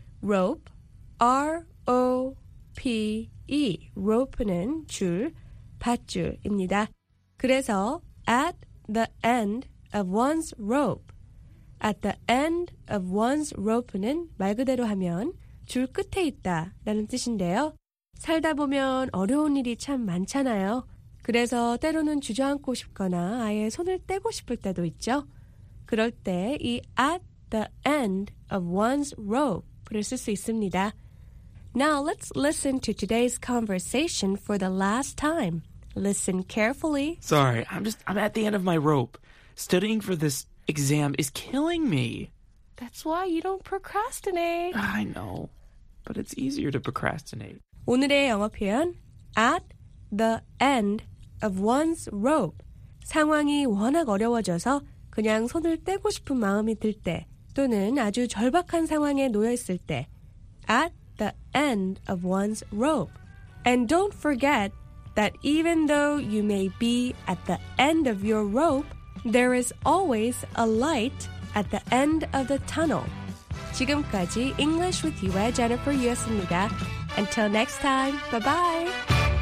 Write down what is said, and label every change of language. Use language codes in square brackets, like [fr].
[en] Rope, R O-P-E, [ko] rope는 줄, 밧줄입니다. 그래서 [en] at the end of one's rope, [ko] at the end of one's rope는 말 그대로 하면 줄 끝에 있다라는 뜻인데요. 살다 보면 어려운 일이 참 많잖아요. 그래서 때로는 주저앉고 싶거나 아예 손을 떼고 싶을 때도 있죠. 그럴 때 이 [en] at the end of one's rope [ko] 를 쓸 수 있습니다. [en] Now let's listen to today's conversation for the last time. Listen carefully. Sorry, I'm at the end of my rope. Studying for this exam is killing me. That's why you don't procrastinate. I know, but it's easier to procrastinate. [ko] 오늘의 영어 표현, [en] at the end of one's rope. [ko] 상황이 워낙 어려워져서 그냥 손을 떼고 싶은 마음이 들 때 또는 아주 절박한 상황에 놓여 있을 때 [en] at the end of one's rope. And don't forget that even though you may be at the end of your rope, there is always a light at the end of the tunnel. [ko] 지금까지 English with you의 Jennifer Yu였습니다. [en] Until next time, bye-bye!